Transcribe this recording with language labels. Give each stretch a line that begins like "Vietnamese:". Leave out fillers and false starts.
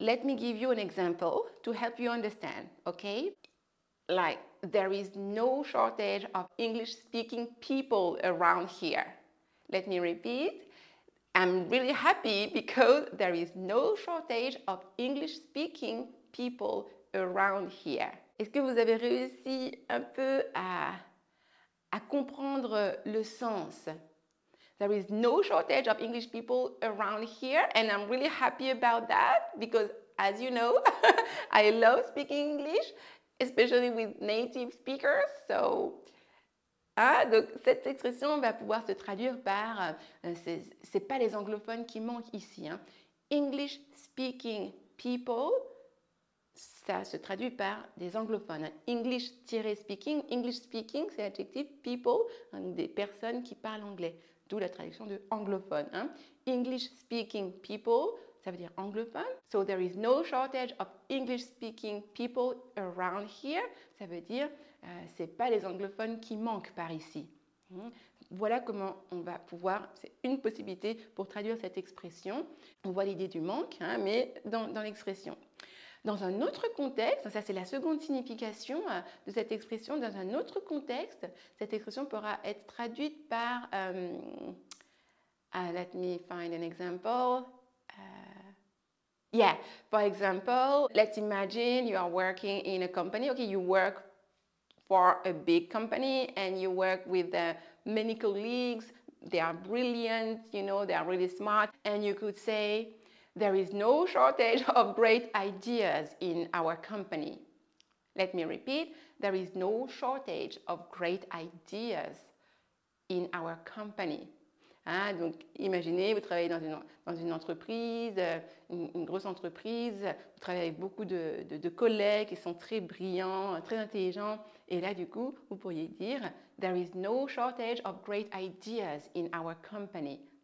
English: Let me give you an example to help you understand, OK? Like, there is no shortage of English-speaking people around here. Let me repeat. I'm really happy because there is no shortage of English speaking people around here.
French: Est-ce que vous avez réussi un peu à comprendre le sens?
English: There is no shortage of English people around here and I'm really happy about that because as you know, I love speaking English, especially with native speakers. So,
French: donc cette expression va pouvoir se traduire par c'est pas les anglophones qui manquent ici. Hein.
English: English speaking people,
French: ça se traduit par des anglophones.
English: English-speaking, English speaking,
French: c'est l'adjectif people, donc des personnes qui parlent anglais. D'où la traduction de anglophone. Hein.
English: English speaking people,
French: ça veut dire anglophone.
English: So there is no shortage of English speaking people around here.
French: Ça veut dire c'est pas les anglophones qui manquent par ici. Voilà comment on va pouvoir, c'est une possibilité pour traduire cette expression. On voit l'idée du manque, hein, mais dans l'expression. Dans un autre contexte, ça c'est la seconde signification de cette expression, dans un autre contexte, cette expression pourra être traduite par,
English: let me find an example. Yeah, for example, let's imagine you are working in a company. Okay, you work for a big company and you work with many colleagues. They are brilliant, you know, they are really smart. And you could say, there is no shortage of great ideas in our company. Let me repeat, there is no shortage of great ideas in our company.
French: Hein, donc imaginez, vous travaillez dans une entreprise, une grosse entreprise, vous travaillez avec beaucoup de collègues qui sont très brillants, très intelligents. Et là, du coup, vous pourriez dire,
English: there is no shortage of great ideas in our company.